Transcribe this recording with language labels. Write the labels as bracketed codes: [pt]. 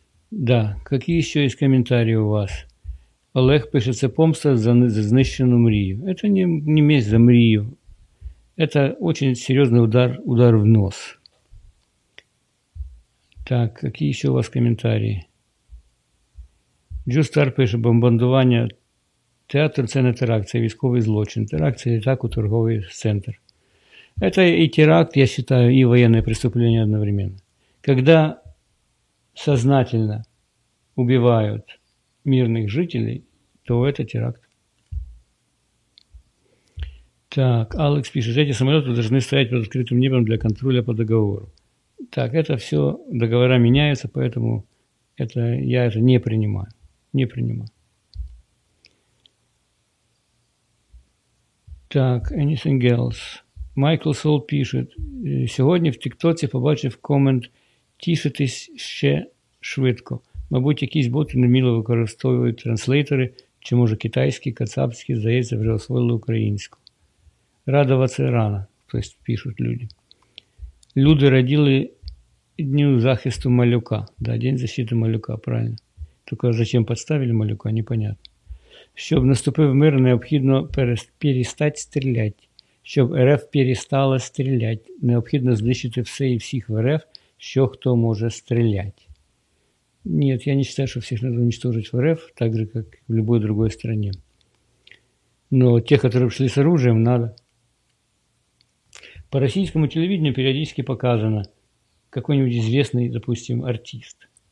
[ru] Да, какие еще есть комментарии у вас? Олег пишет, это [uk] помста за знищену мрію. [ru] Это не месть за мрію. Это очень серьезный удар в нос. Так, какие еще у вас комментарии? [uk] Джустар пишет, бомбардування театр – це не теракт, це військовий злочин. Теракт – це атака у торговий центр. [ru] Это и теракт, я считаю, и военное преступление одновременно. Когда сознательно убивают мирных жителей, то это теракт. Так, Алекс пишет, эти самолеты должны стоять под открытым небом для контроля по договору. Так, это все, договора меняются, поэтому я это не принимаю. Не принимаю. [en] Так, anything else? [uk] Майкл Сол пишет, сьогодні в тіктоці побачив комент «Тішитись ще швидко». Мабуть, якісь боти неміло використовують транслейтери, чи, може, китайські, кацапські, здається, вже освоїли українську. Радуватися рано, тобто пишуть люди. Люди раділи Дню захисту малюка. [ru] Да, День защиты малюка, правильно. Только зачем подставили малюка, непонятно. [uk] Щоб наступив мир, необхідно перестати стріляти. Щоб РФ перестала стріляти. Необхідно знищити все і всіх в РФ, що хто може стріляти. [ru] Нет, я не считаю, что всех надо уничтожить в РФ, так же, как в любой другой стране. Но те, которые пришли с оружием, надо. По российскому телевидению периодически показано какой-нибудь известный, допустим, артист.